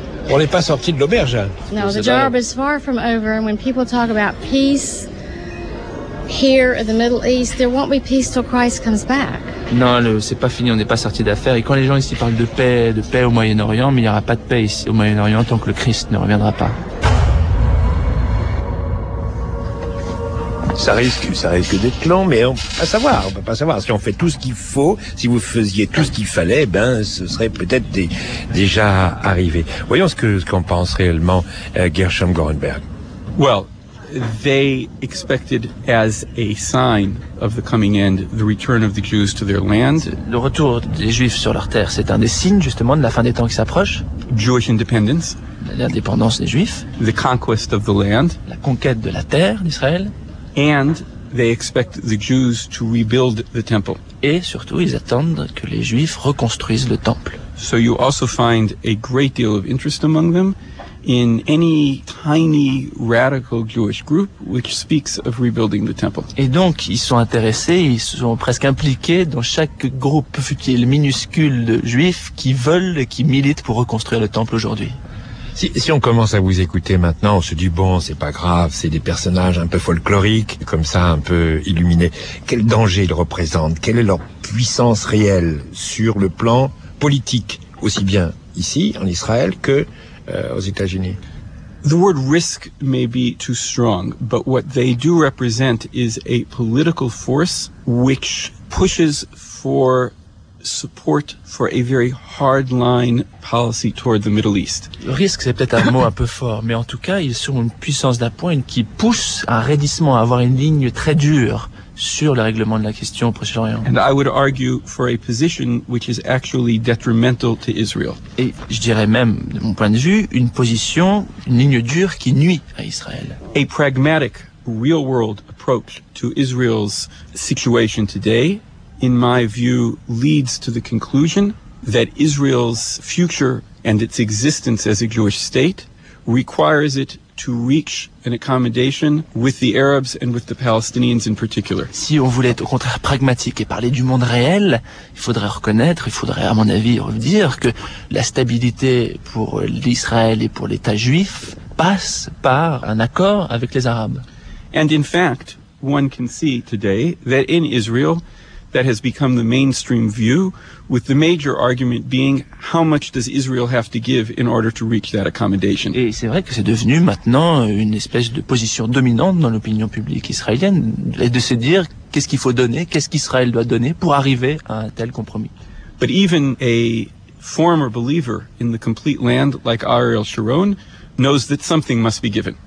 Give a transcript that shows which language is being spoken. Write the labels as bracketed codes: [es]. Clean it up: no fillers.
[fr] On n'est pas sorti de l'auberge. [en] No, the job is far from over, and when people talk about peace here in the Middle East, there won't be peace till Christ comes back. [fr] Non, c'est pas fini, on n'est pas sorti d'affaire. Et quand les gens ici parlent de paix au Moyen-Orient, mais il n'y aura pas de paix ici au Moyen-Orient tant que le Christ ne reviendra pas. Ça risque d'être long, mais on peut pas savoir. Si on fait tout ce qu'il faut, si vous faisiez tout ce qu'il fallait, ben, ce serait peut-être déjà arrivé. Voyons ce qu'en pense réellement Gershom Gorenberg. [en] Well, they expected as a sign of the coming end, the return of the Jews to their land. [fr] Le retour des Juifs sur leur terre, c'est un des signes, justement, de la fin des temps qui s'approche. [en] Jewish independence. [fr] L'indépendance des Juifs. [en] The conquest of the land. [fr] La conquête de la terre d'Israël. [en] And they expect the Jews to rebuild the temple. [fr] Et surtout, ils attendent que les Juifs reconstruisent le temple. [en] So you also find a great deal of interest among them in any tiny radical Jewish group which speaks of rebuilding the temple. [fr] Et donc, ils sont intéressés, ils sont presque impliqués dans chaque groupe futile minuscule de Juifs qui veulent et qui militent pour reconstruire le temple aujourd'hui. Si on commence à vous écouter maintenant, on se dit, bon, c'est pas grave, c'est des personnages un peu folkloriques, comme ça, un peu illuminés. Quel danger ils représentent? Quelle est leur puissance réelle sur le plan politique, aussi bien ici, en Israël, que aux États-Unis? [en] The word risk may be too strong, but what they do represent is a political force which pushes for support for a very hard-line policy toward the Middle East. [fr] Le risque, c'est peut-être un mot un peu fort, mais en tout cas, ils sont une puissance d'appoint qui pousse un raidissement à avoir une ligne très dure sur le règlement de la question au Proche-Orient. [en] And I would argue for a position which is actually detrimental to Israel. [fr] Et je dirais même, de mon point de vue, une position, une ligne dure qui nuit à Israël. [en] A pragmatic, real-world approach to Israel's situation today, in my view, leads to the conclusion that Israel's future and its existence as a Jewish state requires it to reach an accommodation with the Arabs and with the Palestinians in particular. [fr] Si on voulait être au contraire pragmatique et parler du monde réel, il faudrait, à mon avis, dire que la stabilité pour l'Israël et pour l'État juif passe par un accord avec les Arabes. [en] And in fact, one can see today that in Israel, that has become the mainstream view, with the major argument being how much does Israel have to give in order to reach that accommodation. [fr] Et c'est vrai que c'est devenu maintenant une espèce de position dominante dans l'opinion publique israélienne, et de se dire qu'est-ce qu'il faut donner, qu'est-ce qu'Israël doit donner pour arriver à un tel compromis. [en] But even a former believer in the complete land like Ariel Sharon knows that something must be given.